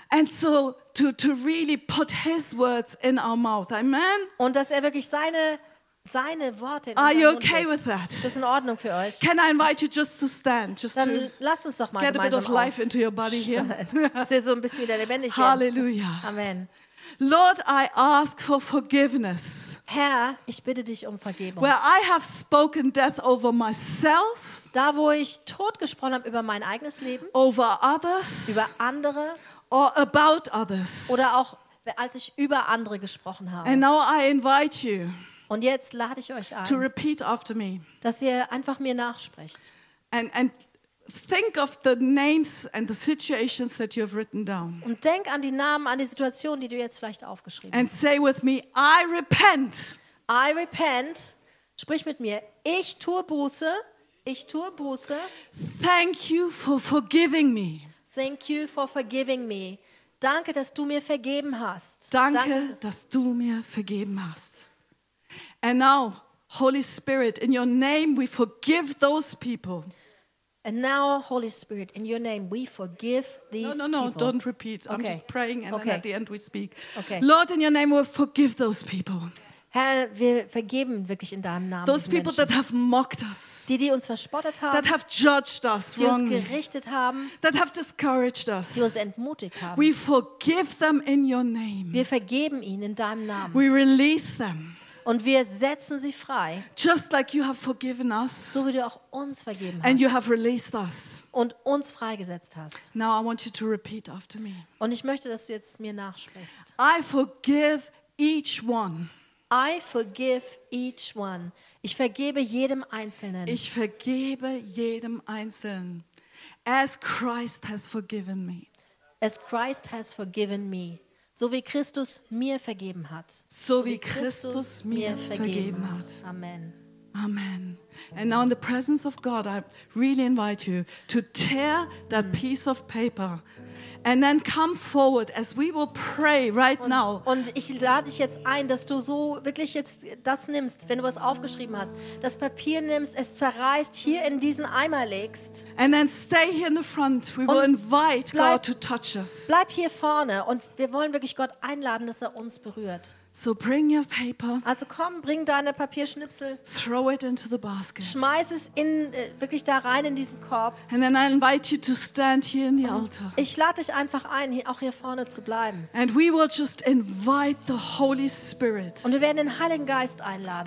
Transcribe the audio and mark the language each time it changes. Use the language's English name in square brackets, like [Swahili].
[English] And so to really put his words in our mouth. Amen. [German] Und dass er wirklich seine Worte. [English] Are you okay with that? [German] Ist das in Ordnung für euch? [English] Can I invite you just to stand? Just [German] dann [English] to [German] lass uns doch mal [English] get a bit of life into your body here. [German] Dass wir so ein bisschen wieder lebendig werden. Halleluja. Amen. [English] Lord, I ask for forgiveness. [German] Herr, ich bitte dich um Vergebung. [English] Where I have spoken death over myself. [German] Da, wo ich tot gesprochen habe über mein eigenes Leben. [English] Over others. [German] Über andere. [English] Or about others. [German] Oder auch, als ich über andere gesprochen habe. [English] And now I invite you. [German] Und jetzt lade ich euch ein, [English] to repeat after me. [German] Dass ihr einfach mir nachsprecht. [English] And think of the names and the situations that you have written down. [German] Und denk an die Namen, an die Situation, die du jetzt vielleicht aufgeschrieben [English] and [German] hast. [English] And say with me, I repent. I repent. [German] Sprich mit mir. Ich tue Buße. Ich tue Buße. [English] Thank you for forgiving me. Thank you for forgiving me. [German] Danke, dass du mir vergeben hast. Danke, dass du mir vergeben hast. [English] And now, Holy Spirit, in your name we forgive those people. And now, Holy Spirit, in your name we forgive these people. No, people. Don't repeat. Okay. I'm just praying and okay. then at the end we speak. Okay. Lord, in your name we forgive those people. [German] Herr, wir vergeben wirklich in deinem Namen. [English] Those people [German] Menschen, [English] that have mocked us. [German] Die uns verspottet haben. [English] That have judged us [German] die [English] wrongly. [German] Die uns gerichtet haben. [English] That have discouraged us. [German] Die uns entmutigt haben. [English] We forgive them in your name. [German] Wir vergeben ihnen in deinem Namen. [English] We release them. [German] Und wir setzen sie frei. [English] Just like you have forgiven us. [German] So wie du auch uns vergeben hast. [English] And you have released us. [German] Und uns freigesetzt hast. [English] Now I want you to repeat after me. [German] Und ich möchte, dass du jetzt mir nachsprichst. [English] I forgive each one. I forgive each one. [German] Ich vergebe jedem Einzelnen. Ich vergebe jedem Einzelnen. [English] As Christ has forgiven me. As Christ has forgiven me. [German] So wie Christus mir vergeben hat. So wie Christus mir vergeben hat. Amen. Amen. [English] And now in the presence of God, I really invite you to tear that piece of paper And then come forward as we will pray right now. [German] Und ich lade dich jetzt ein, dass du so wirklich jetzt das nimmst, wenn du was aufgeschrieben hast, das Papier nimmst, es zerreißt, hier in diesen Eimer legst. [English] And then stay here in the front. We will invite God to touch us. [German] Bleib hier vorne und wir wollen wirklich Gott einladen, dass er uns berührt. [English] So bring your paper. [German] Also komm, bring deine Papierschnipsel. [English] Throw it into the basket. [German] Schmeiß es in wirklich da rein in diesen Korb. [English] And then I invite you to stand here in the altar. [German] Ich lade dich einfach ein, auch hier vorne zu bleiben. [English] And we will just invite the Holy Spirit. [German] Und wir werden den Heiligen Geist einladen.